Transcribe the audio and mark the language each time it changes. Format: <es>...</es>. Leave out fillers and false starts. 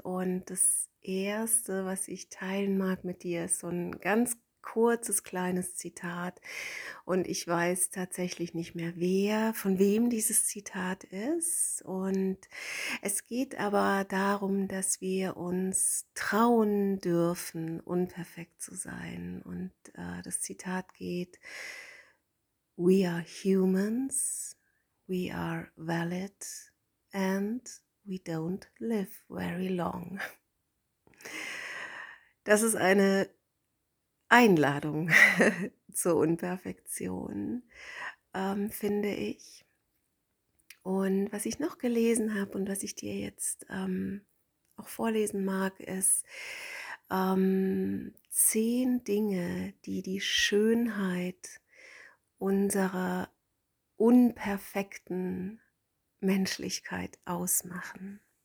<de>Und das Erste, was ich teilen mag mit dir, ist so ein ganz kurzes, kleines Zitat. Und ich weiß tatsächlich nicht mehr, wer, von wem dieses Zitat ist. Und es geht aber darum, dass wir uns trauen dürfen, unperfekt zu sein. Und das Zitat geht:</de> <en>We are humans, we are valid, and we don't live very long.</en> <de>Das ist eine Einladung zur Unperfektion, finde ich. Und was ich noch gelesen habe und was ich dir jetzt auch vorlesen mag, ist 10 Dinge, die die Schönheit unserer unperfekten Menschlichkeit ausmachen.</de>